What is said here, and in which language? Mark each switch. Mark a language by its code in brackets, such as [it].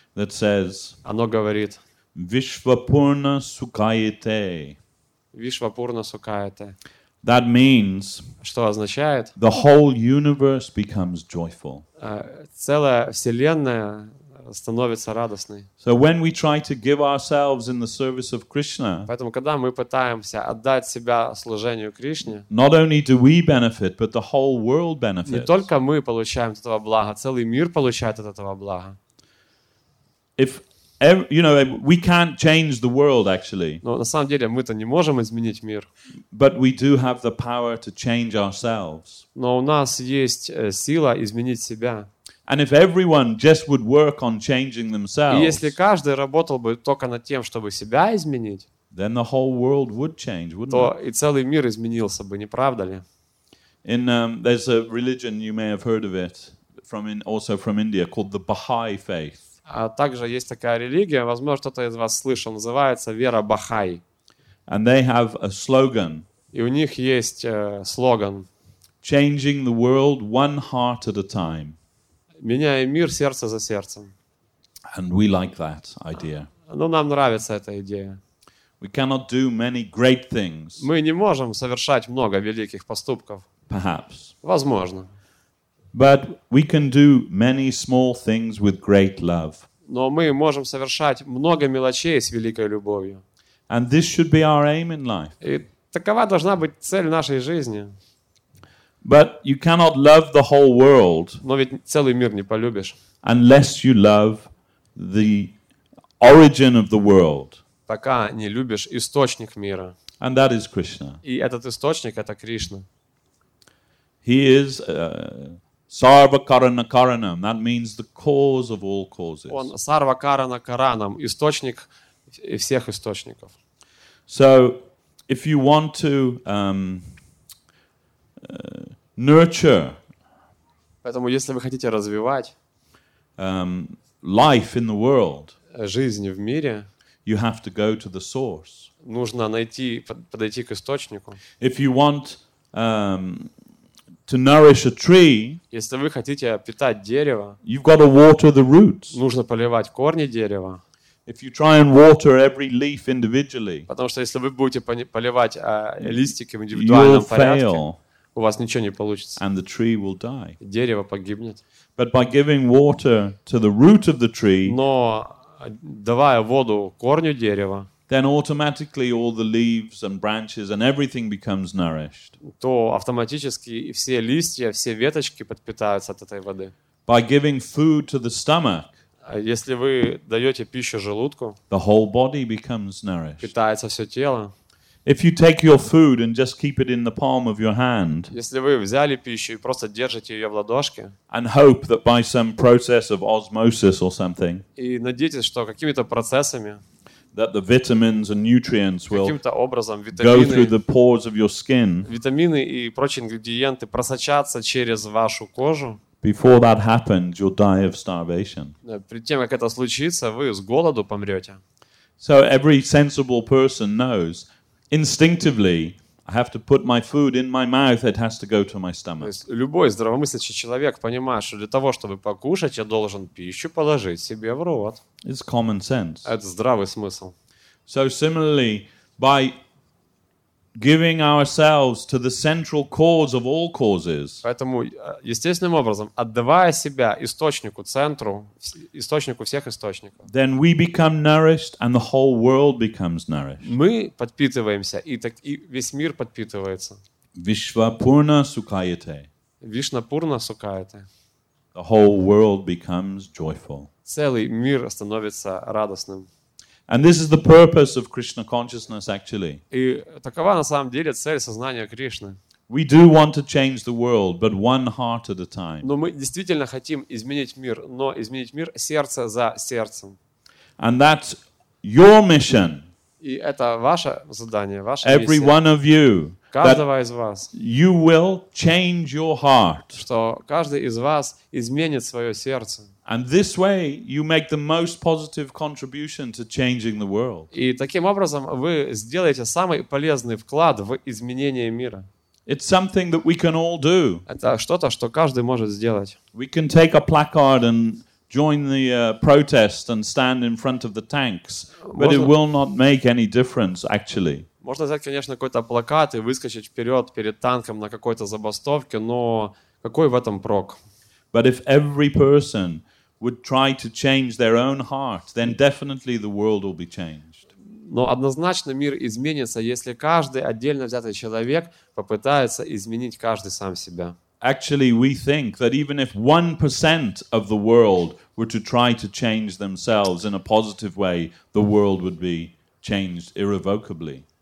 [en] That says. [ru] Оно говорит. [sa] Вишвапурна сукаете. Вишвапурна сукаете. [en] That means. [ru] Что означает? [en] The whole universe becomes joyful. [ru] Целая вселенная становится радостной. [en] So when we try to give ourselves in the service of Krishna. [ru] Поэтому когда мы пытаемся отдать себя служению Кришне. [en] Not only do we benefit, but the whole world benefits. [ru] Не только мы получаем от этого блага, целый мир получает от этого блага. [en] If you know, we can't change the world actually. [ru] Но на самом деле мы-то не можем изменить мир. [en] But we do have the power to change ourselves. [ru] Но у нас есть сила изменить себя. [en] And if everyone just would work on changing themselves, [ru] и если каждый работал бы только над тем, чтобы себя изменить, [en] then the whole world would change, wouldn't [ru] то [en] it? [ru] И целый мир изменился бы, не правда ли? [en] There's a religion you may have heard of it from India called the Baha'i faith. [ru] А также есть такая религия, возможно, кто-то из вас слышал, называется вера Бахай. [en] And they have a slogan. [ru] И у них есть слоган. [en] Changing the world one heart at a time. [ru] Меняя мир сердце за сердцем. [en] And we like that idea. [ru] Ну, нам нравится эта идея. [en] We cannot do many great things. [ru] Мы не можем совершать много великих поступков. [en] Perhaps. [ru] Возможно. [en] But we can do many small things with great love. [ru] Но мы можем совершать много мелочей с великой любовью. [en] And this should be our aim in life. [ru] И такова должна быть цель нашей жизни. [en] But you cannot love the whole world. [ru] Но ведь целый мир не полюбишь. [en] Unless you love the origin of the world. [ru] Пока не любишь источник мира. [en] And that is Krishna. [ru] И этот источник — это Кришна. [en] He is Sarvakaranakaranam. That means the cause of all causes. [ru] Он Sarvakaranakaranam, источник всех источников. [en] So, if you want to nurture, [ru] поэтому если вы хотите развивать [en] life in the world, [ru] жизнь в мире, [en] you have to go to the source. [ru] Нужно найти, подойти к источнику. [en] If you want to nourish a tree, [ru] если вы хотите питать дерево, [en] you've got to water the roots. [ru] Нужно поливать корни дерева. [en] If you try and water every leaf individually, [ru] потому что если вы будете поливать листики в индивидуальном порядке, у вас ничего не получится. [en] And the tree will die. [ru] Дерево погибнет. [en] But by giving water to the root of the tree, [ru] но давая воду корню дерева, [en] then automatically all the leaves and branches and everything becomes nourished. [ru] То автоматически все листья, все веточки подпитаются от этой воды. [en] By giving food to the stomach, [ru] если вы даете пищу желудку, [en] the whole body becomes nourished. [ru] Питается все тело. [en] If you take your food and just keep it in the palm of your hand, [ru] если вы взяли пищу и просто держите ее в ладошке, [en] and hope that by some process of osmosis or something, [ru] и надеетесь, что какими-то процессами, [en] that the vitamins and nutrients will [ru] каким-то образом [en] go through the pores of your skin, [ru] витамины и прочие ингредиенты просочатся через вашу кожу. [en] Before that happens, you'll die of starvation. [ru] Перед тем, как это случится, вы с голоду помрете. [en] So every sensible person knows. Instinctively, I have to put my food in my mouth. It has to go to my stomach. [ru] То есть любой здравомыслящий человек понимает, что для того, чтобы покушать, я должен пищу положить себе в рот. [en] It's common sense. [ru] Это здравый смысл. [en] So similarly, by giving ourselves to the central cause of all causes. [ru] Поэтому естественным образом, отдавая себя источнику, центру, источнику всех источников. [en] Then we become nourished and the whole world becomes nourished. [ru] Мы подпитываемся и так и весь мир подпитывается. [sa] Вишвапурна сукаяте. Вишнапурна сукаяте. [en] The whole world becomes joyful. [ru] Целый мир становится радостным. [en] And this is the purpose of Krishna consciousness, actually. [ru] И такова на самом деле цель сознания Кришны. [en] We do want to change the world, but one heart at a time. [ru] Но мы действительно хотим изменить мир, но изменить мир сердце за сердцем. [en] And that's your mission. [ru] И это ваше задание, ваша миссия. [en] Every one of you. [ru] Каждого из вас. [en] You will change your heart. [ru] Что каждый из вас изменит свое сердце. [en] And this way you make the most positive contribution to changing the world. [ru] И таким образом вы сделаете самый полезный вклад в изменение мира. [en] It's something that we can all do. [ru] Это что-то, что каждый может сделать. [en] We can take a placard and join the protest and stand in front of the tanks, but it will not make any difference actually. [ru] Можно взять, конечно, какой-то плакат и выскочить вперед перед танком на какой-то забастовке, но какой в этом прок? [en] But if every person would try to change their own heart, then definitely the world will be changed. [ru] Но однозначно мир изменится, если каждый отдельно взятый человек попытается изменить каждый сам себя. [en] Actually, we think that even if 1% of the world were to try to change themselves in a positive way, the world would be changed irrevocably.